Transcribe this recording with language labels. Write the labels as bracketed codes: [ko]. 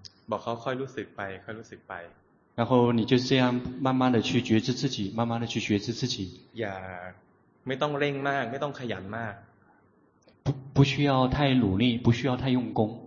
[th] บอกเขาค่อยรู้สึกไปค่อยรู้สึกไป [zh] 然后你就这样慢慢的去觉知自己慢慢的去觉知自己 [th] อย่าไม่ต้องเร่งมากไม่ต้องขยันมาก [zh] 不需要太努力不需要太用功